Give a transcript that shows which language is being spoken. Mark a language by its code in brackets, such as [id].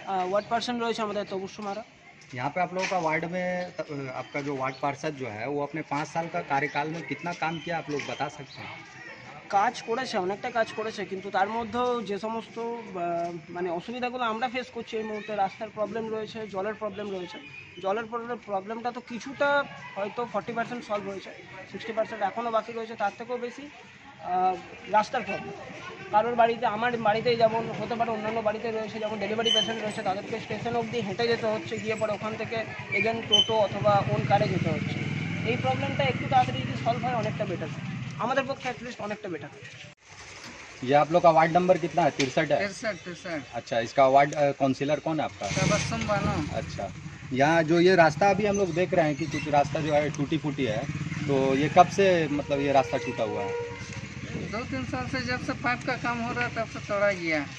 [hi] Ward पार्षद रोहित समुदाय तबुशुमारा। यहाँ पे आप लोगों का वार्ड में आपका जो वार्ड पार्षद जो है वो अपने 5 साल का कार्यकाल में कितना काम किया, आप लोग बता सकते हैं? [bn] কাজ করেছে, অনেকটা কাজ করেছে, কিন্তু তার মধ্যেও যে সমস্ত মানে অসুবিধাগুলো আমরা ফেস করছি এই মুহূর্তে, রাস্তার প্রবলেম রয়েছে, জলের প্রবলেম রয়েছে। জলের প্রবলেমটা তো কিছুটা হয়তো 40% সলভ হয়েছে, 60% এখনও বাকি রয়েছে, তার থেকেও বেশি রাস্তার প্রবলেম। কারোর বাড়িতে, আমার বাড়িতেই যেমন হতে পারে, অন্যান্য বাড়িতে রয়েছে, যেমন ডেলিভারি পেশেন্ট রয়েছে, তাদেরকে স্টেশন অবধি হেঁটে যেতে হচ্ছে, গিয়ে পরে ওখান থেকে এগেন টোটো অথবা ওন কারে যেতে হচ্ছে। এই প্রবলেমটা একটু তাড়াতাড়ি যদি সলভ হয় অনেকটা বেটার, আমাদের পক্ষে অ্যাটলিস্ট অনেকটা বেটার। [hi] ये आप लोग का वार्ड नंबर कितना है? 63 है। 63। अच्छा, इसका वार्ड काउंसिलर कौन है आपका? तबस्सुम बानो। अच्छा, यहाँ जो ये रास्ता अभी हम लोग देख रहे हैं कि कुछ रास्ता जो है टूटी फूटी है, तो ये कब से मतलब ये रास्ता टूटा हुआ है? 2-3 साल से, जब से पाइप का काम हो रहा है तब से तोड़ा गया।